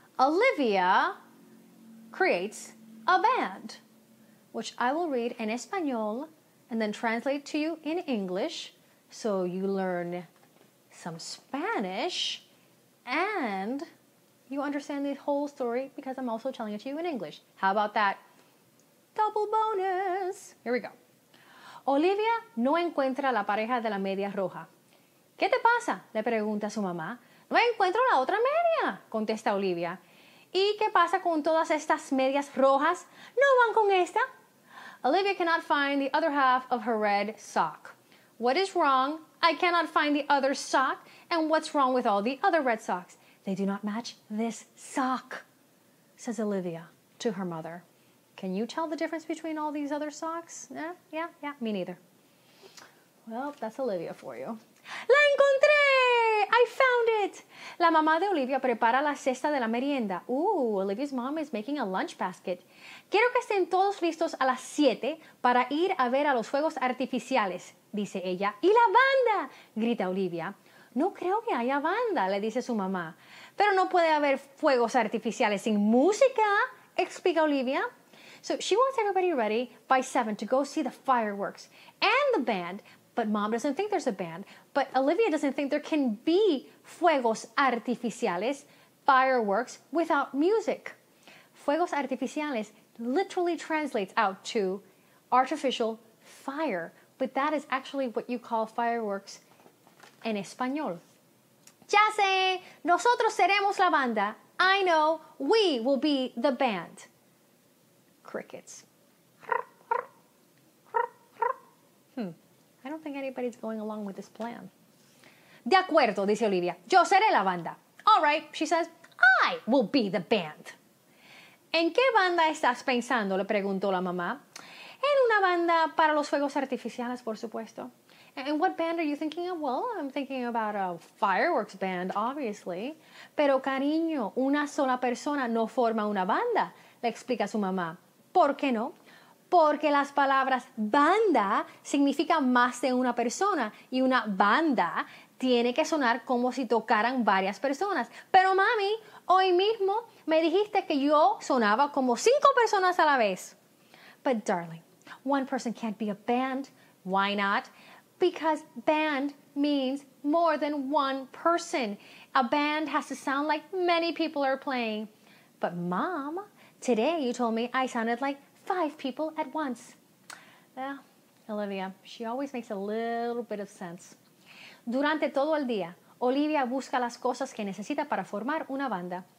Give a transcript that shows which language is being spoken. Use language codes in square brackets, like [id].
[en] Olivia creates a band, which I will read in Español and then translate to you in English so you learn some Spanish and you understand the whole story because I'm also telling it to you in English. How about that? Double bonus. Here we go. [es] Olivia no encuentra la pareja de la media roja. ¿Qué te pasa? Le pregunta su mamá. No encuentro la otra media, contesta Olivia. ¿Y qué pasa con todas estas medias rojas? ¿No van con esta? [en] Olivia cannot find the other half of her red sock. What is wrong? I cannot find the other sock. And what's wrong with all the other red socks? They do not match this sock, says Olivia to her mother. Can you tell the difference between all these other socks? Yeah, me neither. Well, that's Olivia for you. [es] ¡La encontré! [en] I found it! [es] La mamá de Olivia prepara la cesta de la merienda. [en] Ooh, Olivia's mom is making a lunch basket. [es] Quiero que estén todos listos a las 7 para ir a ver a los fuegos artificiales, dice ella. ¡Y la banda! Grita Olivia. No creo que haya banda, le dice su mamá. Pero no puede haber fuegos artificiales sin música, explica Olivia. [en] So she wants everybody ready by 7 to go see the fireworks and the band, but mom doesn't think there's a band, but Olivia doesn't think there can be [es] fuegos artificiales, [en] fireworks, without music. [es] Fuegos artificiales [en] literally translates out to artificial fire, but that is actually what you call fireworks [es] en español. Ya sé, nosotros seremos la banda. [en] I know, we will be the band. Crickets. I don't think anybody's going along with this plan. [es] De acuerdo, dice Olivia. Yo seré la banda. [en] All right, she says, I will be the band. [es] ¿En qué banda estás pensando? Le preguntó la mamá. En una banda para los fuegos artificiales, por supuesto. [en] And what band are you thinking of? Well, I'm thinking about a fireworks band, obviously. [es] Pero cariño, una sola persona no forma una banda, le explica su mamá. ¿Por qué no? Porque las palabras banda significan más de una persona y una banda tiene que sonar como si tocaran varias personas. Pero mami, hoy mismo me dijiste que yo sonaba como 5 personas a la vez. [en] But darling, one person can't be a band. Why not? Because band means more than one person. A band has to sound like many people are playing. But mom, today you told me I sounded like 5 people at once. Well, Olivia, she always makes a little bit of sense. [es] Durante todo el día, Olivia busca las cosas que necesita para formar una banda.